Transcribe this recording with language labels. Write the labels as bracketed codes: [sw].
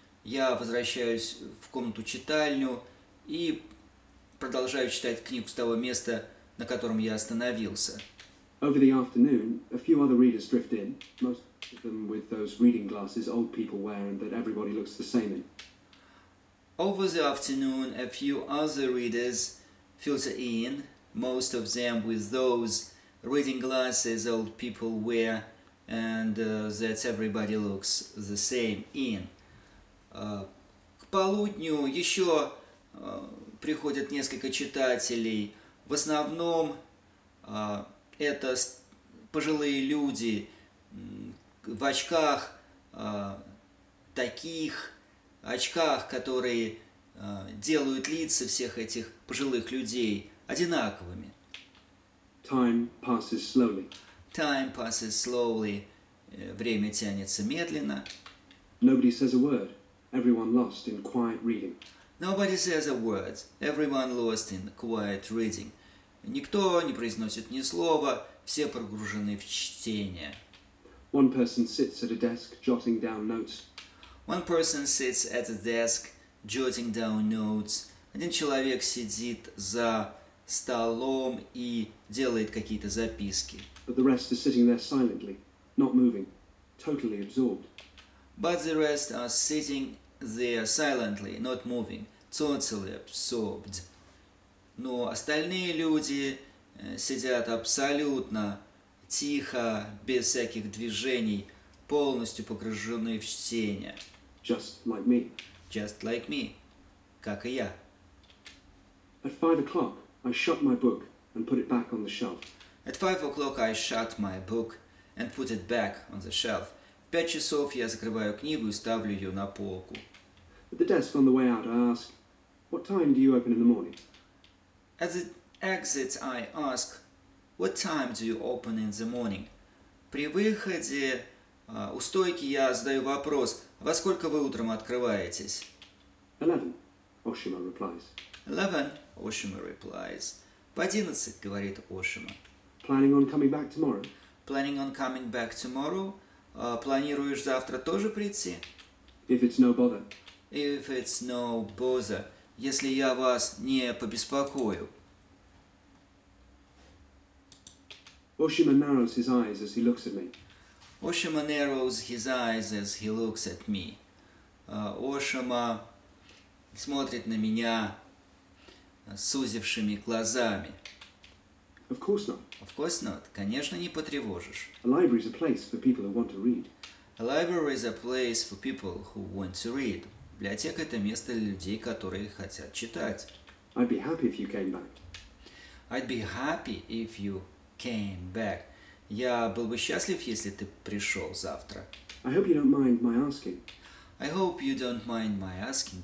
[ru] Я возвращаюсь в комнату читальню и продолжаю читать книгу с того места, на котором я остановился. [en] Over the afternoon, a few other readers drift in, most of them with those reading glasses old people wear and that everybody looks the same in. Over the afternoon, a few other readers filter in, most of them with those reading glasses old people wear, and that everybody looks the same in. [ru] К полудню еще приходят несколько читателей. В основном это пожилые люди в очках, таких очках, которые делают лица всех этих пожилых людей одинаковыми. [en] Time passes slowly. Time passes slowly. [ru] Время тянется медленно. [en] Nobody says a word. Everyone lost in quiet reading. Nobody says a word. Everyone lost in quiet reading. [ru] Никто не произносит ни слова. Все погружены в чтение. [en] One person sits at a desk jotting down notes. One person sits at a desk jotting down notes. [ru] Один человек сидит за столом и делает какие-то записки. [en] But the rest are sitting there silently, not moving, totally absorbed. But the rest are sitting there silently, not moving, totally absorbed. [ru] Но остальные люди сидят абсолютно тихо, без всяких движений, полностью погружены в чтение. [en] Just like me. Just like me. [ru] Как и я. [en] At 5 o'clock, I shut my book and put it back on the shelf. At 5 o'clock, I shut my book and put it back on the shelf. [ru] В 5 часов я закрываю книгу и ставлю ее на полку. [en] At the desk on the way out, I ask, what time do you open in the morning? At the exit, I ask, what time do you open in the morning? [ru] При выходе у стойки я задаю вопрос, во сколько вы утром открываетесь? [en] 11, Ошима replies. 11, Ошима replies. [ru] В 11, говорит Ошима. [en] Planning on coming back tomorrow? Planning on coming back tomorrow. [ru] Планируешь завтра тоже прийти? [en] If it's no bother. If it's no bother. [ru] Если я вас не побеспокою. [en] Ошима narrows his eyes as he looks at me. Ошима narrows his eyes as he looks at me. [ru] Ошима смотрит на меня сузившими глазами. [en] Of course not. Of course not. [ru] Конечно, не потревожишь. [en] A library is a place for people who want to read. A library is a place for people who want to read. [ru] Библиотека — это место для людей, которые хотят читать. [en] I'd be happy if you came back. I'd be happy if you came back. [ru] Я был бы счастлив, если ты пришел завтра. [en] I hope you don't mind my asking. I hope you don't mind my asking.